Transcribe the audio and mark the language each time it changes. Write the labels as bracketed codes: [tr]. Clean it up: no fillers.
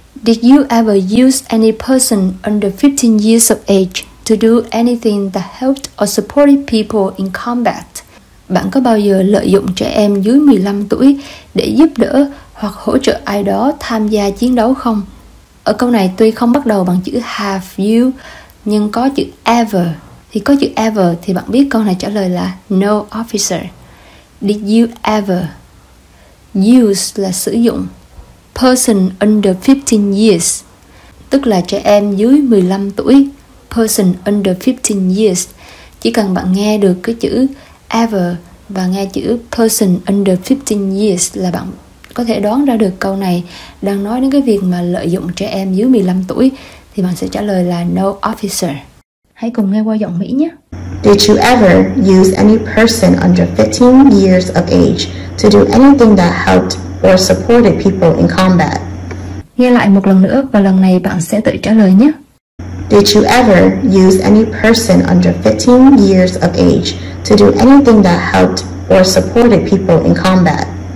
[en] Did you ever use any person under 15 years of age to do anything that helped or supported people in combat? [vi] Bạn có bao giờ lợi dụng trẻ em dưới 15 tuổi để giúp đỡ hoặc hỗ trợ ai đó tham gia chiến đấu không? Ở câu này tuy không bắt đầu bằng chữ [en] have you, [vi] nhưng có chữ ever. Thì có chữ ever thì bạn biết câu này trả lời là [en] no officer. Did you ever? Use [vi] là sử dụng. [en] Person under 15 years, [vi] tức là trẻ em dưới 15 tuổi. [en] Person under 15 years. [vi] Chỉ cần bạn nghe được cái chữ ever và nghe chữ [en] person under 15 years [vi] là bạn có thể đoán ra được câu này đang nói đến cái việc mà lợi dụng trẻ em dưới 15 tuổi, thì bạn sẽ trả lời là [en] no officer. [vi] Hãy cùng nghe qua giọng Mỹ nhé. [en] Did you ever use any person under 15 years of age to do anything that helped or supported people in combat? [vi] Nghe lại một lần nữa và lần này bạn sẽ tự trả lời nhé. [en] Did Did you ever use any person under 15 years of age to do anything that helped or supported people in combat?